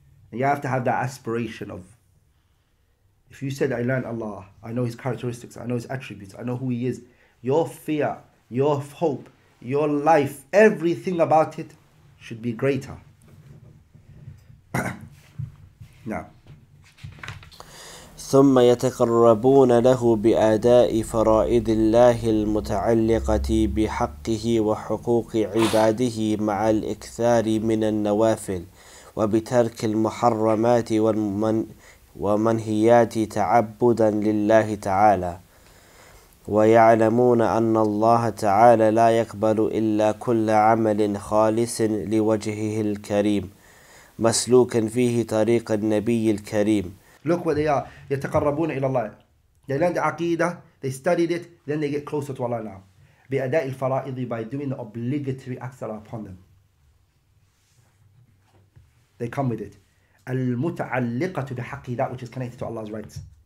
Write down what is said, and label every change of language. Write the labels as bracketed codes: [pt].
[en] And you have to have that aspiration of, if you said, I learned Allah, I know His characteristics, I know His attributes, I know who He is, your fear, your hope, your life, everything about it should be greater. Now. [ar] ثم يتقربون له بأداء فرائض الله المتعلقة بحقه وحقوق عباده مع الإكثار من النوافل وبترك المحرمات ومنهيات تعبدا لله تعالى ويعلمون أن الله تعالى لا يقبل إلا كل عمل خالص لوجهه الكريم مسلوكا فيه طريق النبي الكريم. [en] Look what they are. [ar] يتقربون إلى الله. [en] They learned the aqidah, they studied it, then they get closer to Allah now. [ar] بأداء الفرائض, [en] by doing the obligatory acts that are upon them. They come with it. [ar] المتعلقة بحقه, [en] that which is connected to Allah's rights.